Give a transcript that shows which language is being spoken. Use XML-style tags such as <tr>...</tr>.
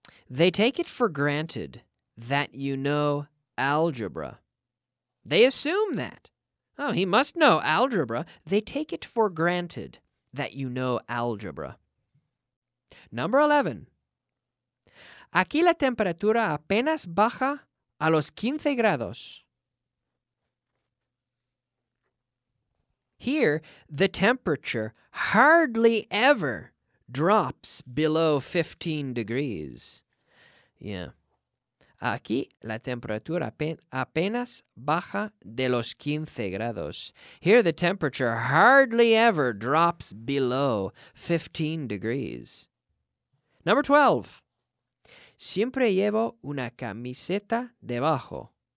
<en>They take it for granted that you know algebra. They assume that. Oh, he must know algebra. They take it for granted that you know algebra. Number 11.</en> <es>Aquí la temperatura apenas baja a los 15 grados.</es> <en>Here, the temperature hardly ever drops below 15 degrees. Yeah.</en> <es>Aquí, la temperatura apenas baja de los 15 grados.</es> <en>Here, the temperature hardly ever drops below 15 degrees. Number 12.</en> <es>Siempre llevo una camiseta debajo.</es>